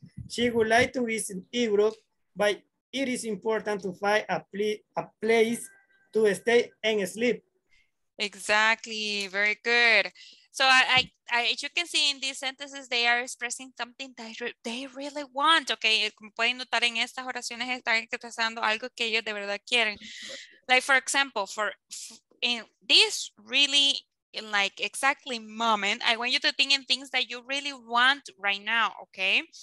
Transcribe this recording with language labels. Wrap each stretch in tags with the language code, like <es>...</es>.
<en>She would like to visit Europe, but it is important to find a place to stay and sleep. Exactly, very good. So I as you can see in these sentences, they are expressing something that they really want, okay?</en> <es>Como pueden notar en estas oraciones, están expresando algo que ellos de verdad quieren.</es> <en>Like for example, in this moment, I want you to think in things that you really want right now, okay?</en>